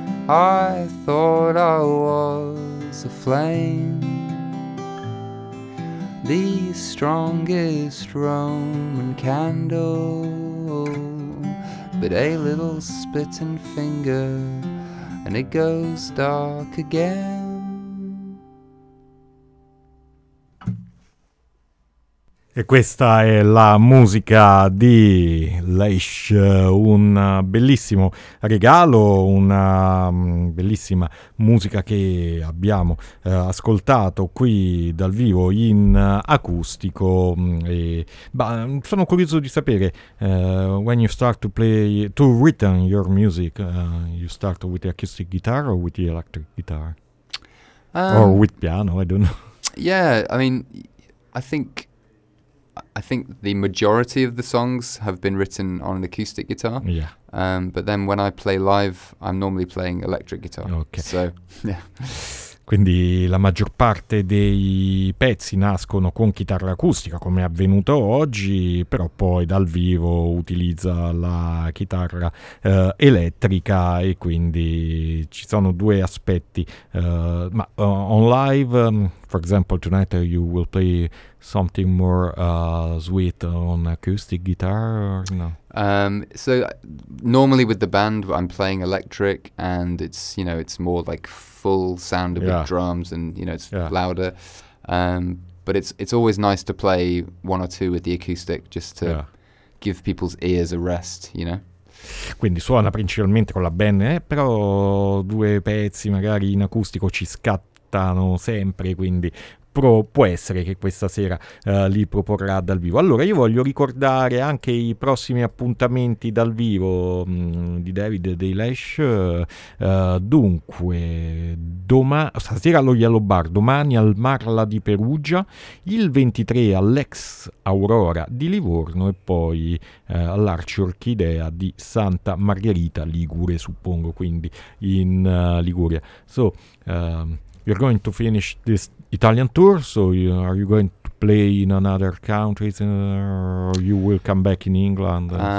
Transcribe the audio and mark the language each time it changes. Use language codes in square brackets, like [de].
[en] I thought I was a flame, the strongest Roman candle, but a little spit and finger and it goes dark again. [it] E questa è la musica di Leish, un bellissimo regalo, una bellissima musica che abbiamo ascoltato qui dal vivo in acustico. E, sono curioso di sapere, [en] when you start to play, to rhythm your music, you start with the acoustic guitar or with the electric guitar? Or with piano, I don't know. Yeah, I mean, I think the majority of the songs have been written on an acoustic guitar. Yeah. But then when I play live, I'm normally playing electric guitar. Okay. So, yeah. [it] Quindi la maggior parte dei pezzi nascono con chitarra acustica, come è avvenuto oggi, però poi dal vivo utilizza la chitarra elettrica, e quindi ci sono due aspetti. [en] On live, for example, tonight you will play something more sweet on acoustic guitar, or no? So normally with the band, I'm playing electric, and it's, you know, it's more like full sound of the drums, and you know, it's louder. But it's always nice to play one or two with the acoustic, just to give people's ears a rest, you know. [it] Quindi suona principalmente con la band, però due pezzi magari in acustico ci scattano sempre, quindi può essere che questa sera li proporrà dal vivo. Allora, io voglio ricordare anche i prossimi appuntamenti dal vivo di David dei Lash. Dunque, stasera allo Yellow Bar, domani al Marla di Perugia, il 23 all'Ex Aurora di Livorno e poi all'Arci Orchidea di Santa Margherita Ligure, suppongo, quindi in Liguria. [en] So, you're going to finish this Italian tour, so are you going to play in another countries, or you will come back in England?